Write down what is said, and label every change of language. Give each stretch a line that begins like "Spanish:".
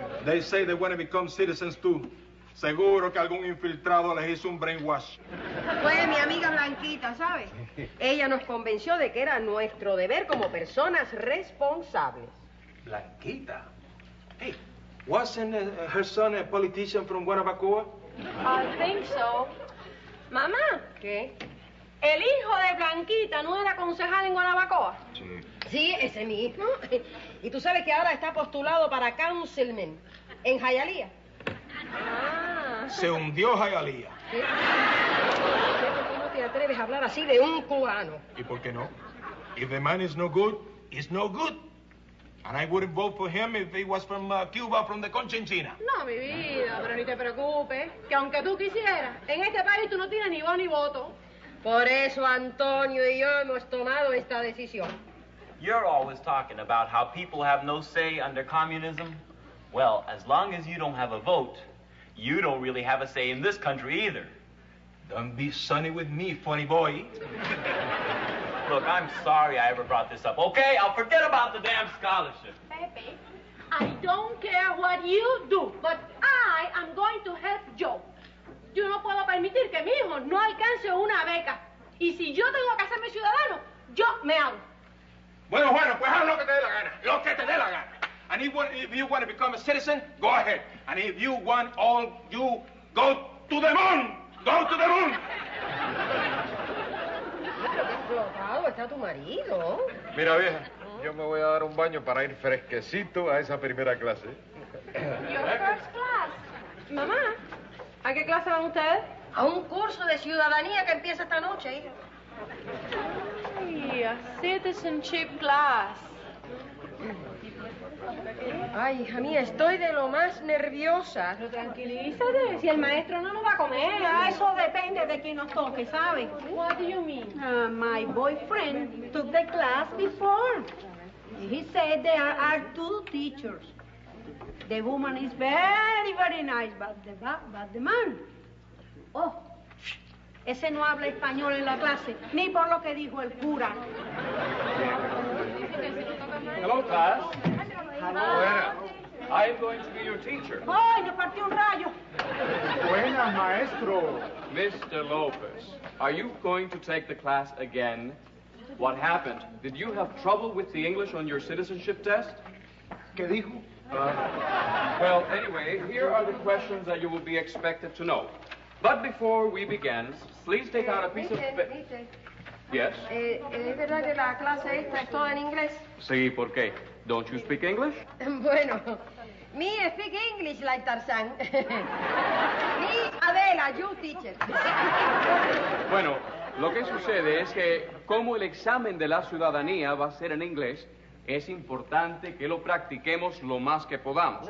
English: They say they want to become citizens too.
Spanish: Seguro que algún infiltrado les hizo un brainwash. Pues mi amiga Blanquita, ¿sabes? Ella nos convenció de que era nuestro deber como personas responsables.
English: Blanquita? Hey, wasn't her son a politician from Guanabacoa? I think so. Mamá.
Spanish: ¿Qué? El hijo de Blanquita no era concejal en Guanabacoa. Sí. Sí, ese mismo. Y tú sabes que ahora está postulado para councilman en Hialeah. Ah. Se hundió Hialeah. ¿Cómo te atreves a hablar así de un cubano? ¿Y por qué no?
English: If the man is no good, it's no good. And I wouldn't vote for him if he was from Cuba, from the Conchinchina.
Spanish: No, mi vida, pero ni te preocupes. Que aunque tú quisieras, en este país tú no tienes ni voz ni voto. Por eso Antonio y yo hemos tomado esta decisión.
English: You're always talking about how people have no say under communism. Well, as long as you don't have a vote, you don't really have a say in this country either. Don't be sunny with me, funny boy. Look, I'm sorry I ever brought this up, okay? I'll forget about the damn scholarship. Pepe, I don't care what you do, but I am going to help Joe.
Spanish: Yo no puedo permitir que mi hijo no alcance una beca. Y si yo tengo que hacerme ciudadano, yo me hago. Bueno, pues haz lo que te dé la gana. Lo que te dé la gana.
English: And if you want to become a citizen, go ahead. And if you want all you, go to the moon. Go to the moon.
Spanish: Está tu marido. Mira, vieja, yo me voy a dar un baño para ir fresquecito a esa primera clase.
English: Your first class.
Spanish: Mamá. ¿A qué clase van ustedes? A un curso de ciudadanía que empieza esta noche, hija.
English: Ay, a citizenship class.
Spanish: Ay, hija mía, estoy de lo más nerviosa. Pero tranquilízate, si el maestro no nos va a comer. Ya, eso depende de quién nos toque, ¿sabe?
English: What do you mean? My boyfriend took the class before. He said there are two teachers. The woman is very, very nice, but the man.
Spanish: Oh, ese no habla español en la clase, ni por lo que dijo el cura.
English: Hello, class. Hello. Buena. I'm going to be your teacher.
Spanish: ¡Ay, me partió un rayo! Buenas, maestro.
English: Mr. López, are you going to take the class again? What happened? Did you have trouble with the English on your citizenship test?
Spanish: ¿Qué dijo?
English: Well, anyway, here are the questions that you will be expected to know. But before we begin, please take out a piece of... Mister. Yes?
Spanish: ¿Es verdad que la clase esta es toda en inglés? Sí, ¿por qué?
English: Don't you speak English? Bueno, me speak English like Tarzan. Me, Adela, you teacher.
Spanish: Bueno, lo que sucede es que como el examen de la ciudadanía va a ser en inglés, es importante que lo practiquemos lo más que podamos.